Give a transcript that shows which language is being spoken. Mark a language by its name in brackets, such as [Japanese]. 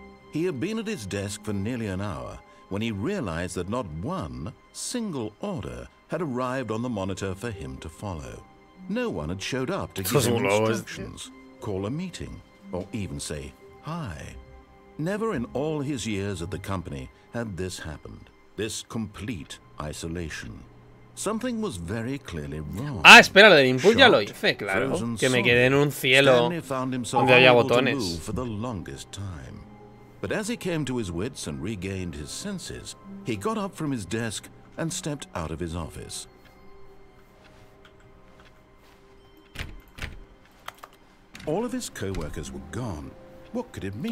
[English] He had been at his desk for nearly an hour when he realized that not one single order had arrived on the monitor for him to follow. No one had showed up to give him instructions, call a meeting, or even say hi. Never in all his years at the company had this happened. This complete isolation. Something was very clearly wrong. [Spanish] Ah, espera, lo del input ya lo hice, claro. Que me quedé en un cielo donde haya botones. [English] For the longest time. But as he came to his wits and regained his senses, he got up from his desk and stepped out of his office. All of his co-workers were gone. What could it mean?